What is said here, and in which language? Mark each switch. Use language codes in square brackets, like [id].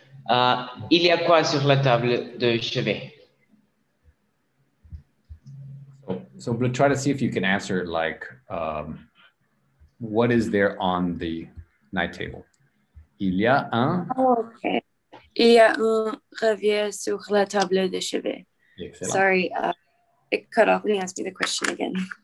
[fr] Il y a quoi sur la table de chevet? [en] So we'll try to see if you can answer like, what is there on the night table. [fr] Il y a un... [en] Oh, okay. [fr] Il y a un revier sur la table de chevet. Excellent. [en] Sorry, it cut off when you asked me the question again.